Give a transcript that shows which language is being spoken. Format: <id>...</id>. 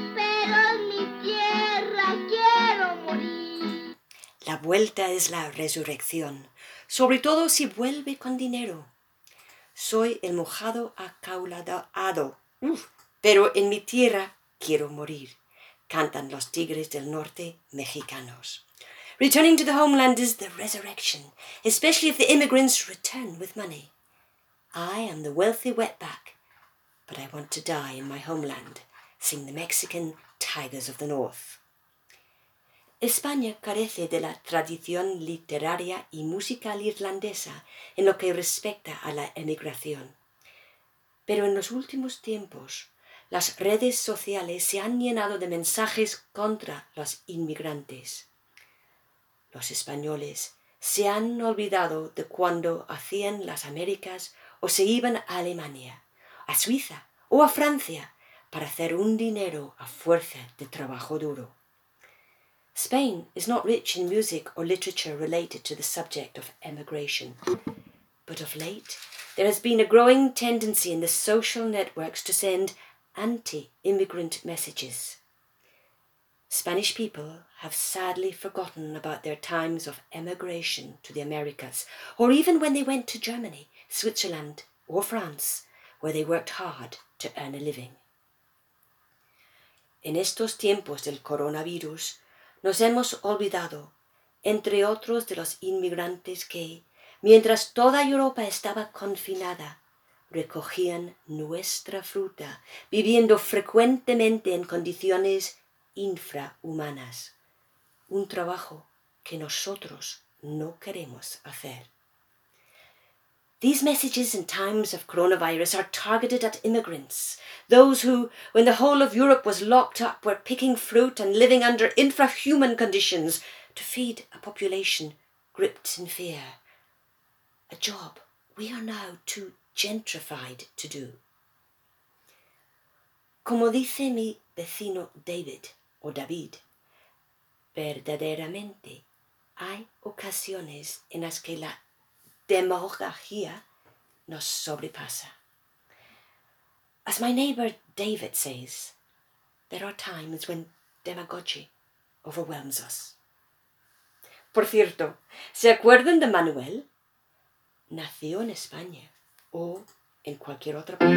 <es>¡Pero en mi tierra quiero morir! La vuelta es la resurrección, sobre todo si vuelve con dinero. Soy el mojado acaudalado, pero en mi tierra quiero morir, cantan los tigres del norte mexicanos.</es> <en>Returning to the homeland is the resurrection, especially if the immigrants return with money. I am the wealthy wetback, but I want to die in my homeland, sing the Mexican tigers of the north.</en> <es>España carece de la tradición literaria y musical irlandesa en lo que respecta a la emigración. Pero en los últimos tiempos, las redes sociales se han llenado de mensajes contra los inmigrantes. Los españoles se han olvidado de cuando hacían las Américas o se iban a Alemania, a Suiza o a Francia para hacer un dinero a fuerza de trabajo duro.</es> <en>Spain is not rich in music or literature related to the subject of emigration. But of late, there has been a growing tendency in the social networks to send anti-immigrant messages. Spanish people have sadly forgotten about their times of emigration to the Americas, or even when they went to Germany, Switzerland, or France, where they worked hard to earn a living.</en> <es>En estos tiempos del coronavirus, nos hemos olvidado, entre otros, de los inmigrantes que, mientras toda Europa estaba confinada, recogían nuestra fruta, viviendo frecuentemente en condiciones infrahumanas. Un trabajo que nosotros no queremos hacer.</es> <en>These messages in times of coronavirus are targeted at immigrants, those who, when the whole of Europe was locked up, were picking fruit and living under infrahuman conditions to feed a population gripped in fear. A job we are now too gentrified to do.</en> <es>Como dice mi vecino David, o David, verdaderamente hay ocasiones en las que la demagogia nos sobrepasa.</es> <en>As my neighbor David says, there are times when demagogy overwhelms us.</en> <es>Por cierto, ¿se acuerdan de Manuel? Nació en España o en cualquier otro país.</es>